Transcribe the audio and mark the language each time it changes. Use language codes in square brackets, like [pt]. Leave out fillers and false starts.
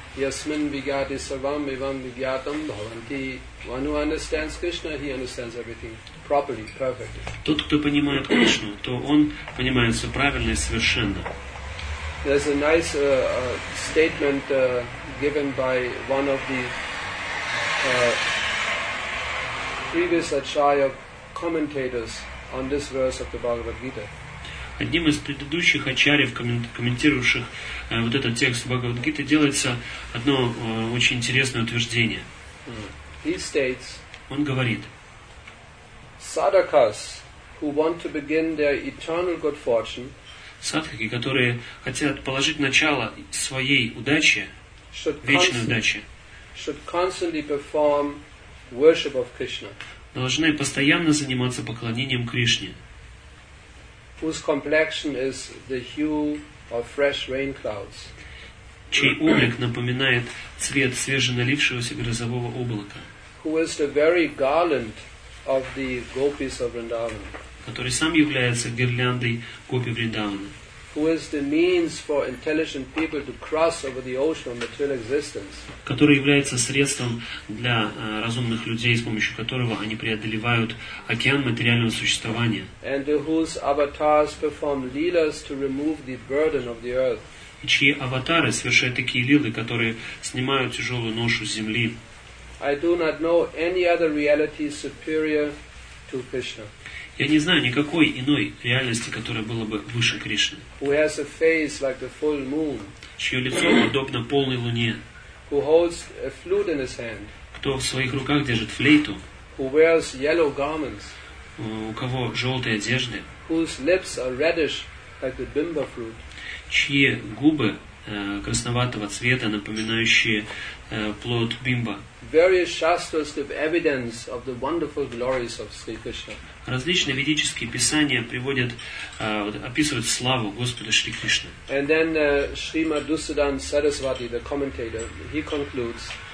[sa] Yasmin vigati sarvam evam vigyatam bhavanti. [en] One who understands Krishna, he understands everything properly, perfectly. [ru] Тот, кто понимает Кришну, то он понимает все правильно и совершенно. [en] There's a nice statement given by one of the previous acharya commentators on this verse of the Bhagavad Gita. [ru] Одним из предыдущих ачарьев, комментировавших вот этот текст Бхагавад Гиты, делается одно очень интересное утверждение. [en] He states, [ru] он говорит: [en] Sadakas, who want to begin their eternal good fortune, [ru] садхаки, которые хотят положить начало своей удаче, вечной удаче, [en] should constantly perform worship of Krishna. [ru] Должны постоянно заниматься поклонением Кришне. [en] Whose complexion is the hue of fresh rain clouds. [ru] Чей облик напоминает цвет свеженалившегося грозового облака. [en] Who is the very garland of the gopis of Vrindavan. [ru] Который сам является гирляндой гопи Вриндавана. [en] Who is the means for intelligent people to cross over the ocean of material existence. [ru] Который является средством для разумных людей, с помощью которого они преодолевают океан материального существования. [en] And to whose avatars perform leelas to remove the burden of the earth. [ru] И чьи аватары совершают такие лилы, которые снимают тяжелую ношу с земли. [en] I do not know any other reality superior to Krishna. [ru] Я не знаю никакой иной реальности, которая была бы выше Кришны. [en] Who has a face like the full moon. [ru] Чье лицо подобно полной луне. [en] Who holds a flute in his hand. [ru] Кто в своих руках держит флейту. [en] Who wears yellow garments. [ru] У кого желтые одежды. [en] Whose lips are reddish like the bimba fruit. [ru] Чьи губы красноватого цвета, напоминающие плод бимба. [en] Various shastras give evidence of the wonderful glories of Sri Krishna. [ru] Различные ведические писания приводят, описывают славу Господа Шри Кришны. [en] And then Shrimad Dusudan Saraswati, the commentator, he concludes.